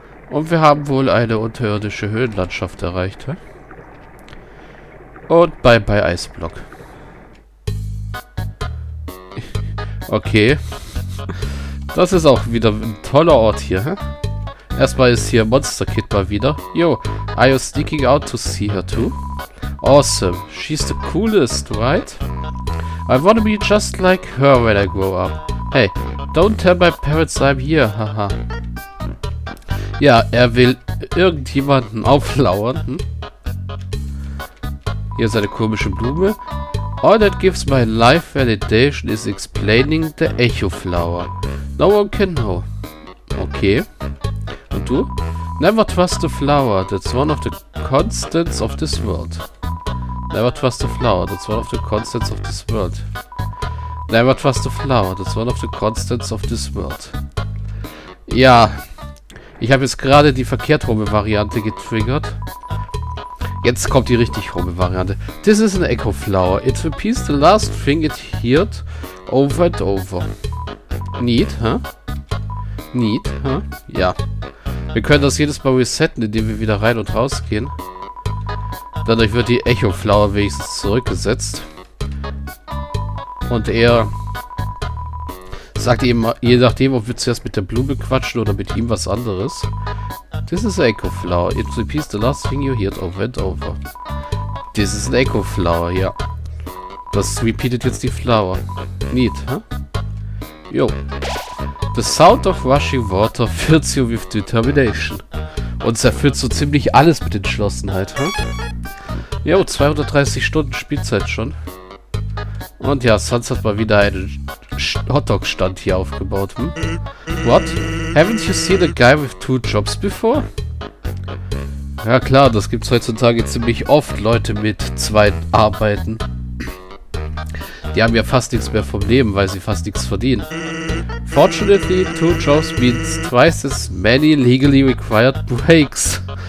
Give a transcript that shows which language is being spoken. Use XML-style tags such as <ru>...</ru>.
<de>Und wir haben wohl eine unterirdische Höhenlandschaft erreicht. Hä? Und bye bye Eisblock. Okay. Das ist auch wieder ein toller Ort hier. Hä? Erstmal ist hier Monster Kid mal wieder.</de> <en>Yo, are you sneaking out to see her too? Awesome. She's the coolest, right? I wanna be just like her when I grow up. Hey, don't tell my parents I'm here, haha.</en> <de>Ja, er will irgendjemanden auflauern.</de> <en>Hm?</en> <de>Hier ist eine komische Blume.</de> <en>All that gives my life validation is explaining the Echo Flower. No one can know. Okay.</en> <de>Und du?</de> <en>Never trust a flower, that's one of the constants of this world. Never trust a flower, that's one of the constants of this world. Never trust a flower, that's one of the constants of this world.</en> <de>Ja, ich habe jetzt gerade die verkehrt rumme Variante getriggert. Jetzt kommt die richtig rumme Variante.</de> <en>This is an echo flower, it repeats the last thing it heard over and over. Neat, huh? Neat, huh? Ja.</en> <de>Wir können das jedes Mal resetten, indem wir wieder rein und raus gehen. Dadurch wird die Echo Flower wenigstens zurückgesetzt. Und er sagt eben, je nachdem, ob wir zuerst mit der Blume quatschen oder mit ihm was anderes.</de> <en>This is an Echo Flower. It repeats the last thing you heard over and over. This is an Echo Flower, ja.</en> <de>Das repeatet jetzt die Flower.</de> <en>Neat, hä? Huh? Jo. The sound of rushing water fills you with determination.</en> <de>Und es erfüllt so ziemlich alles mit Entschlossenheit, hm? Jo, 230 Stunden Spielzeit schon. Und ja, Sans hat mal wieder einen Hotdog-Stand hier aufgebaut, hm?</de> <en>What? Haven't you seen a guy with two jobs before?</en> <de>Ja klar, das gibt's heutzutage ziemlich oft, Leute mit zwei Arbeiten. Die haben ja fast nichts mehr vom Leben, weil sie fast nichts verdienen.</de> <en>Fortunately, two jobs means twice as many legally required breaks.</en>